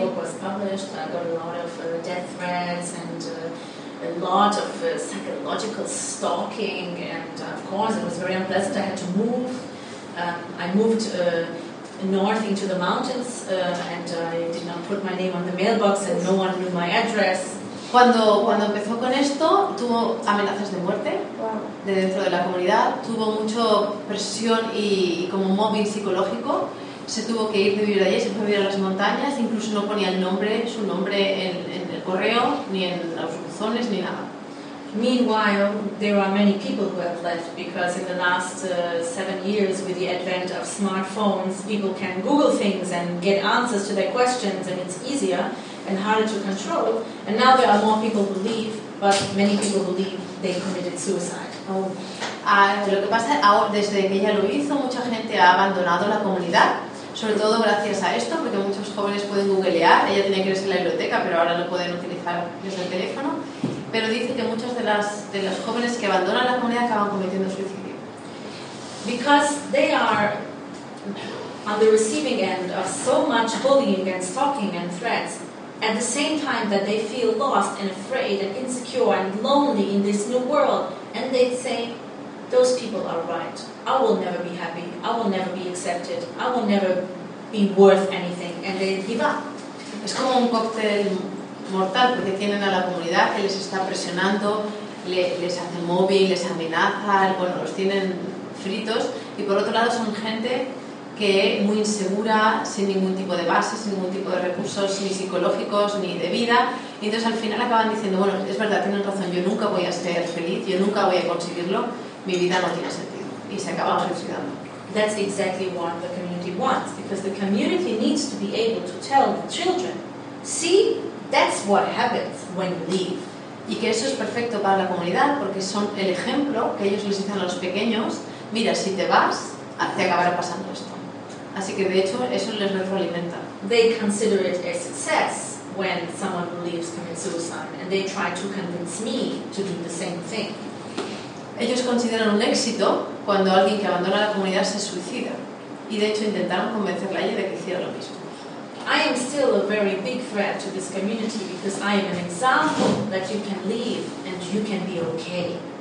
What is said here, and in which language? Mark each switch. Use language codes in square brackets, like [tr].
[en] The book was published, I got a lot of death threats and a lot of psychological stalking. And of course, it was very unpleasant. I had to move. I moved north into the mountains and I did not put my name on the mailbox and no one knew my address. [es] Cuando empezó con esto, tuvo amenazas de muerte de dentro de la comunidad, tuvo mucha presión y como mobbing psicológico, se tuvo que ir de vivir allí, se fue a vivir a las montañas, incluso no ponía el nombre, su nombre en el correo, ni en los buzones, ni nada. [en] Meanwhile, there are many people who have left because in the last 7 years with the advent of smartphones, people can Google things and get answers to their questions and it's easier and harder to control. And now there are more people who leave, but many people believe they committed suicide. Oh. [es] Lo que pasa ahora, desde que ella lo hizo, mucha gente ha abandonado la comunidad, sobre todo gracias a esto, porque muchos jóvenes pueden googlear. Ella tenía que irse a la biblioteca, pero ahora lo pueden utilizar desde el teléfono. Pero dice que muchas de las jóvenes que abandonan la comunidad acaban cometiendo suicidio. [en] Because they are on the receiving end of so much bullying and stalking and threats, at the same time that they feel lost and afraid and insecure and lonely in this new world, and they say, those people are right. I will never be happy. I will never be accepted. I will never be worth anything. And they give up. [es] Es como un cóctel mortal porque tienen a la comunidad que les está presionando, les hace móvil, les amenaza, bueno, los tienen fritos, y por otro lado son gente que es muy insegura, sin ningún tipo de base, sin ningún tipo de recursos, ni psicológicos, ni de vida. Y entonces al final acaban diciendo, bueno, es verdad, tienen razón, yo nunca voy a ser feliz, yo nunca voy a conseguirlo, mi vida no tiene sentido. Y se acaban suicidando. [en] That's exactly what the community wants, because the community needs to be able to tell the children, see, that's what happens when you leave. [es] Y que eso es perfecto para la comunidad, porque son el ejemplo que ellos les dicen a los pequeños, mira, si te vas, te acabará pasando esto. Así que de hecho eso les retroalimenta. [en] They consider it a success when someone who leaves commits suicide, and they try to convince me to do the same thing. [es] Ellos consideran un éxito cuando alguien que abandona la comunidad se suicida, y de hecho intentaron convencerla a ella de que hiciera lo mismo. [en] I am still a very big threat to this community because I am an example that you can leave and you can be okay.